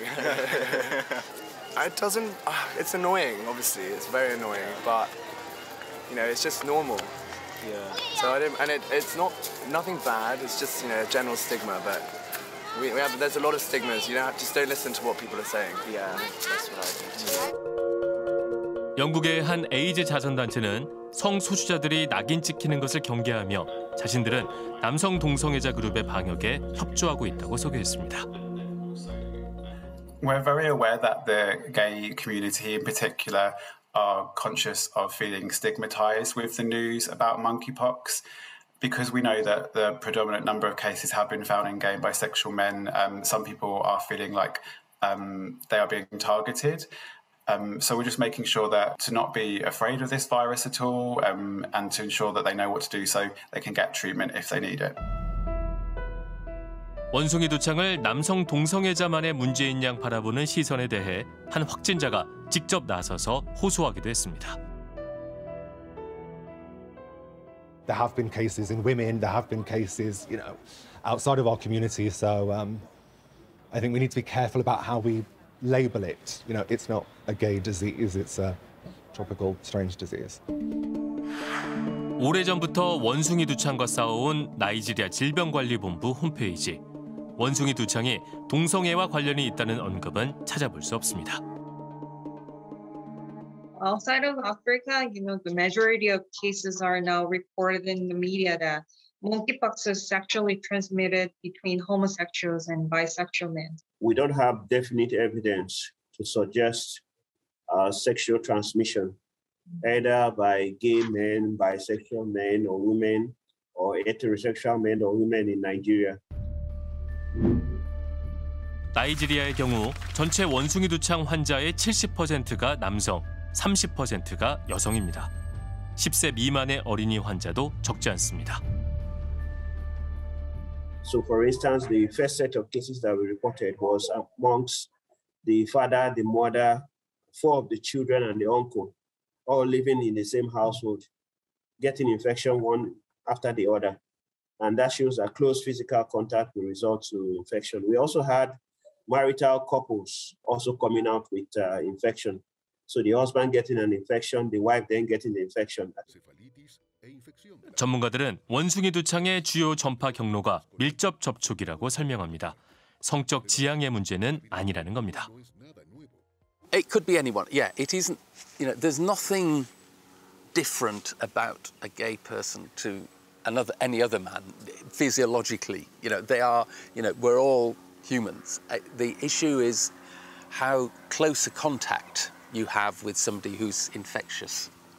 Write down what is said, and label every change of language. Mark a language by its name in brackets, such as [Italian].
[English] It doesn't, it's annoying, obviously, it's very annoying, but, you know, it's just normal. Yeah. So I didn't, and it's not, nothing bad, it's just, you know, a general stigma, but we have, there's a lot of stigmas, you know, just don't listen to what people are saying. Yeah, that's what I think too. [Korean] 영국의 한 에이즈 자선단체는 성소수자들이 낙인 찍히는 것을 경계하며 자신들은 남성 동성애자 그룹의 방역에 협조하고 있다고 소개했습니다. [English] We're very aware that the gay community in particular are conscious of feeling stigmatized with the news about monkeypox because we know that the predominant number of cases have been found in gay and bisexual men. Some people are feeling like they are being targeted. So we're just making sure that to not be afraid of this virus at all and to ensure that they know what to do so they can get treatment if they need it. [Korean] 원숭이 두창을 남성 동성애자만의 문제인 양 바라보는 시선에 대해 한 확진자가 직접 나서서 호소하기도 했습니다. [English] There have been cases in women, there have been cases, you know, outside of our community, so I think we need to be careful about how we label it. You know, it's not a gay disease, it's a tropical strange disease. [Korean] 오래전부터 원숭이 두창과 싸워온 나이지리아 질병관리본부 홈페이지. 원숭이 두창이 동성애와 관련이 있다는 언급은 찾아볼 수 없습니다. [English] Outside of Africa, you know, the majority of cases are now reported in the media that monkeypox is sexually transmitted between homosexuals and bisexual men. We don't have definite evidence to suggest sexual transmission, either by gay men, bisexual men or women, or heterosexual men or women in Nigeria. [Korean] 나이지리아의 경우 전체 원숭이 두창 환자의 70%가 남성, 30%가 여성입니다. 10세 미만의 어린이 환자도 적지 않습니다. [English] So, for instance, the first set of cases that we reported was amongst the father, the mother, four of the children, and the uncle, all living in the same household, getting infection one after the other. And that shows that close physical contact will result to infection. We also had marital couples also coming out with infection. So the husband getting an infection, the wife then getting the infection. [Korean] 전문가들은 원숭이 두창의 주요 전파 경로가 밀접 접촉이라고 설명합니다. 성적 지향의 문제는 아니라는 겁니다. [English] It could be anyone. Yeah, it isn't, you know, there's nothing different about a gay person to another, any other man physiologically. You know, they are, you know, we're all humans. The issue is how close a contact you have with somebody who's infectious.